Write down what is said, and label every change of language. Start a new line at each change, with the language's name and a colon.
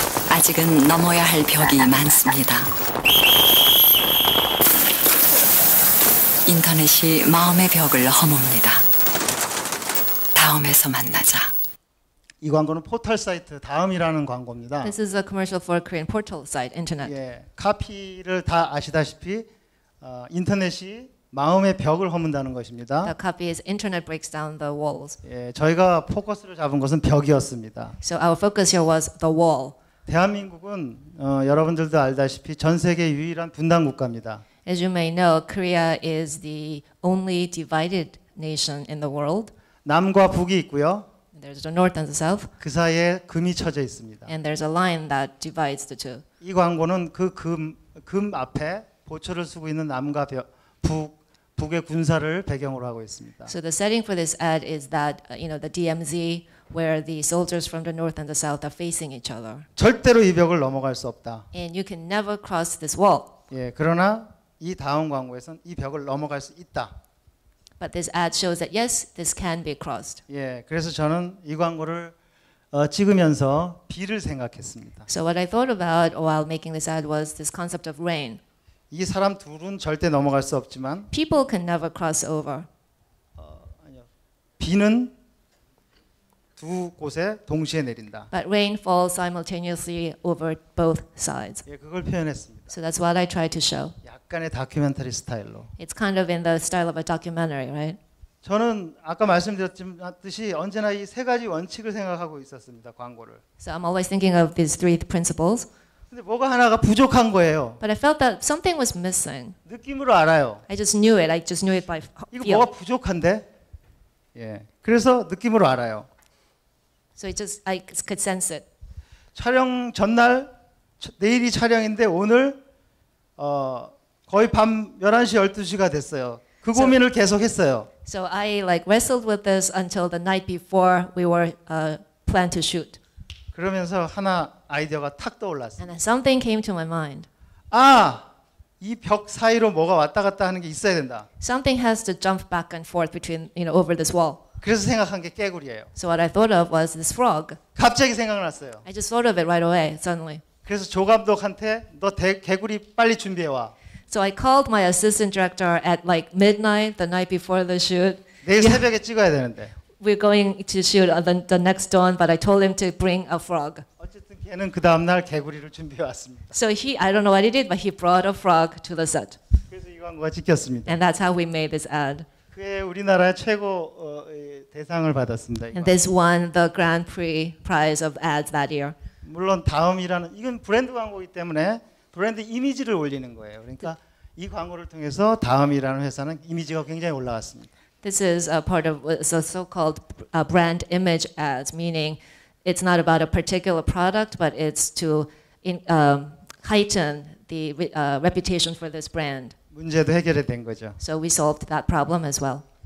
Korean: 아직은 넘어야 할 벽이 많습니다. 인터넷이 마음의 벽을 허뭅니다. 다음에서 만나자. 이 광고는 포털 사이트 다음이라는 광고입니다.
English: This is a commercial for Korean portal site, internet.
Korean: 예, 카피를 다 아시다시피 인터넷이 마음의 벽을 허문다는 것입니다.
English: The copy is internet breaks down the walls.
Korean: 예, 저희가 포커스를 잡은 것은 벽이었습니다.
English: So our focus here was the wall.
Korean: 대한민국은 여러분들도 알다시피 전 세계 유일한 분단 국가입니다.
English: As you may know, Korea is the only divided nation in the world.
Korean: 남과 북이 있고요.
English: There's the north and the south.
Korean: 그 사이에 금이 쳐져 있습니다.
English: And there's a line that divides the two.
Korean: 이 광고는 그 금 앞에 보초를 쓰고 있는 남과 북의 군사를 배경으로 하고 있습니다.
English: So the setting for this ad is that, you know, the DMZ where the soldiers from the north and the south are facing each other.
Korean: 절대로 이 벽을 넘어갈 수 없다.
English: And you can never cross this wall.
Korean: 예, 그러나 이 다음 광고에서는 이 벽을 넘어갈 수 있다.
English: But this ad shows that yes, this can be crossed.
Korean: 예, 그래서 저는 이 광고를 찍으면서 비를 생각했습니다.
English: So what I thought about while making this ad was this concept of rain.
Korean: 이 사람 둘은 절대 넘어갈 수 없지만
English: People can never cross over.
Korean: 비는 두 곳에 동시에 내린다.
English: But rain falls simultaneously over both sides.
Korean: 예, 그걸 표현했습니다.
English: So that's what I tried to show.
Korean: 약간의 다큐멘터리 스타일로.
English: It's kind of in the style of a documentary, right?
Korean: 저는 아까 말씀드렸듯이 언제나 이 세 가지 원칙을 생각하고 있었습니다. 광고를.
English: So I'm always thinking of these three principles.
Korean: 근데 뭐가 하나가 부족한 거예요.
English: But I felt that something was missing.
Korean: 느낌으로 알아요.
English: I just knew it. I just knew it by feel.
Korean: 이거 뭐가 부족한데? 예. 그래서 느낌으로 알아요.
English: So it just I could sense it.
Korean: 촬영 전날 내일이 촬영인데 오늘 거의 밤 11시 12시가 됐어요. 그 고민을 계속 했어요.
English: So I like wrestled with this until the night before we were planned to shoot.
Korean: 그러면서 하나 아이디어가 탁 떠올랐어요.
English: And then something came to my mind.
Korean: 아, 이 벽 사이로 뭐가 왔다 갔다 하는 게 있어야 된다.
English: Something has to jump back and forth between, you know, over this wall.
Korean: 그래서 생각한 게 깨구리예요.
English: So what I thought of was this frog.
Korean: 갑자기 생각났어요.
English: I just thought of it right away, suddenly.
Korean: 그래서 조 감독한테 너 개구리 빨리 준비해 와.
English: So I called my assistant director at like midnight the night before the shoot.
Korean: 내일 yeah. 새벽에 찍어야 되는데.
English: We're going to shoot the next dawn, but I told him to bring a frog.
Korean: 어쨌든 걔는 그 다음 날 개구리를 준비해 왔습니다.
English: So he, I don't know what he did, but he brought a frog to the set.
Korean: 그래서 이 광고가 찍혔습니다.
English: And that's how we made this ad.
Korean: 그게 우리나라 최고 대상을 받았습니다.
English: And this won the Grand Prix prize of ads that year.
Korean: 물론 다음이라는 이건 브랜드 광고이기 때문에 브랜드 이미지를 올리는 거예요. 그러니까 이 광고를 통해서 다음이라는 회사는 이미지가 굉장히 올라갔습니다.
English: This is a part of a so-called brand image ads, meaning it's not about a particular product, but it's to heighten the reputation for this brand.
Korean: 문제도 해결이 된 거죠.
English: So we solved that problem as well.